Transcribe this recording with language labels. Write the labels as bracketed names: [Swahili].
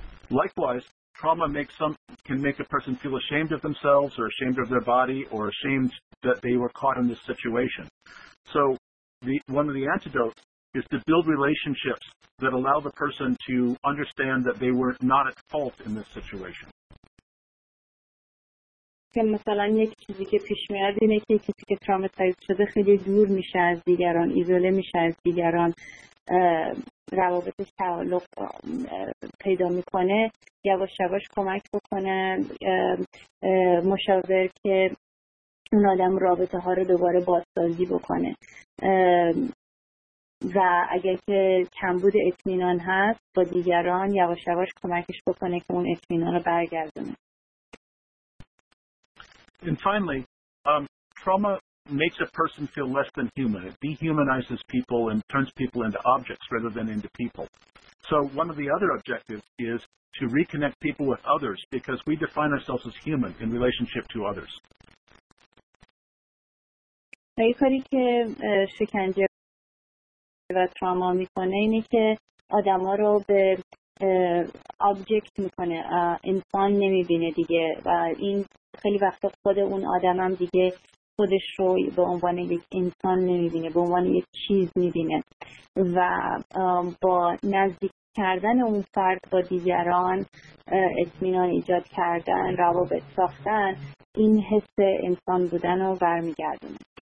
[English] Likewise, trauma can make a person feel ashamed of themselves or ashamed of their body or ashamed that they were caught in this situation. So one of the antidotes is to build relationships that allow the person to understand that they were not at fault in this situation. [Persian] که مثلا یک چیزی که پیش میاد اینه که کسی که تروماتایز شده خیلی دور میشه از دیگران، ایزوله میشه از دیگران، روابطش تعلق پیدا میکنه، یواش یواش کمک بکنه مشاور که اون آدم رابطه ها رو دوباره بازسازی بکنه، و اگر که کمبود اطمینان هست با دیگران یواش یواش کمکش بکنه که اون اطمینان رو برگردونه. [English] And finally, trauma makes a person feel less than human. It dehumanizes people and turns people into objects rather than into people. So one of the other objectives is to reconnect people with others because we define ourselves as human in relationship to others. [Persian] یه کاری که شکنجه و تروما میکنه اینه که آدم ها رو به object میکنه، انسان نمیبینه دیگه، و این خیلی وقتا خود اون آدم هم دیگه خودش رو به عنوان یک انسان نمیبینه، به عنوان یک چیز میبینه، و با نزدیک کردن اون فرد با دیگران، اطمینان ایجاد کردن، روابط ساختن، این حس انسان بودن رو برمیگردونه.